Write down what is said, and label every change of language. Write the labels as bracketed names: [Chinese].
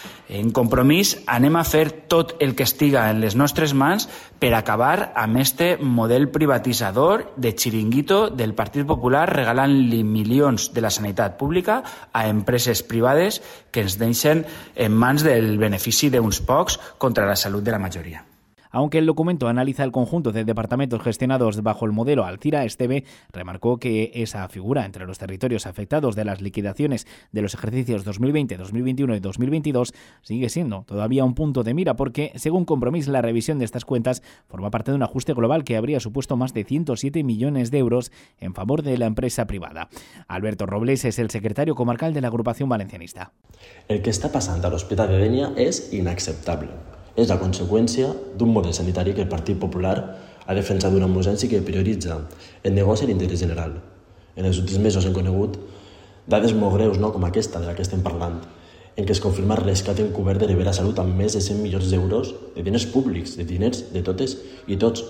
[Catalan] En Compromís anem a fer tot el que estiga en les nostres mans per acabar amb este model privatitzador de xiringuito del Partit Popular, regalant-li milions de la sanitat pública a empreses privades que ens deixen en mans del benefici d'uns pocs contra la salut de la majoria. [Spanish] Aunque el documento analiza el conjunto de departamentos gestionados bajo el modelo Alcira, Esteve remarcó que esa figura entre los territorios afectados de las liquidaciones de los ejercicios 2020, 2021 y 2022 sigue siendo todavía un punto de mira porque, según Compromís, la revisión de estas cuentas forma parte de un ajuste global que habría supuesto más de 107 millones de euros en favor de la empresa privada. Alberto Robles es el secretario comarcal de la agrupación valencianista. El que está pasando al hospital de Denia es inaceptable. [Catalan] És la conseqüència d'un model sanitari que el Partit Popular ha defensat una emergència que prioritza el negoci i l'interès general. En els últims mesos hem conegut dades molt greus, no, com aquesta de la que estem parlant, en què es confirma el rescat encobert de Rivera Salut amb més de 100 milions d'euros de diners públics, de diners de totes i tots.